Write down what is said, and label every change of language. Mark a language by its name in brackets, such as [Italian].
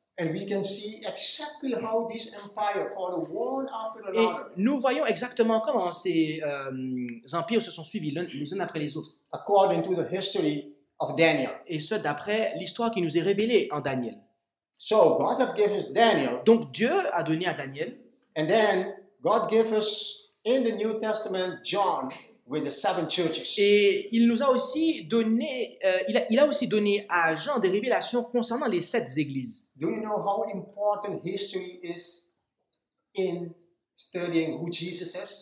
[English] And we can see exactly how this empire followed one after another. [French] Et nous voyons exactement comment ces empires se sont suivis les uns après les autres. [English] According to the history of Daniel. [French] Et ce, d'après l'histoire qui nous est révélée en Daniel. [English] So God has given us Daniel. [French] Donc Dieu a donné à Daniel. [English] And then God gave us in the New Testament John with the seven churches. [French] Et il nous a aussi donné, il a aussi donné à Jean des révélations concernant les sept églises. [English] Do you know how important history is in studying who Jesus is?